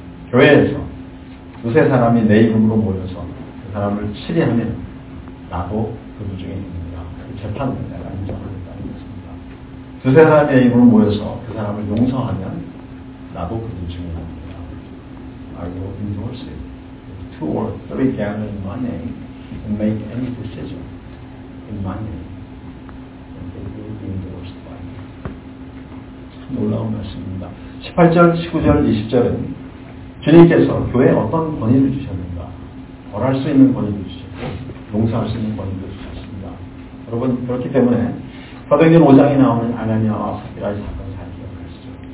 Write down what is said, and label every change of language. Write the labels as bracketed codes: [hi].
[ko] 교회에서 두세 사람이 내 이름으로 모여서 그 사람을 치리하면 나도 그분 중에 있느니라. 그 재판을 내가 인정하겠다는 것입니다. 두세 사람이 내 이름으로 모여서 그 사람을 용서하면 나도 그분 중에 있느니라. [en] I will endorse it. If two or three gather in my name and make any decision in my name, then they will be endorsed by me. [ko] 참 놀라운 말씀입니다. 18절, 19절, 20절은 주님께서 교회에 어떤 권위를 주셨는가? 벌할 수 있는 권위를 주셨고 용서할 수 있는 권위를 주셨습니다. 여러분 그렇기 때문에 사도행전 5장에 나오는 아나니아와 삽비라의 사건을 잘 기억하시죠.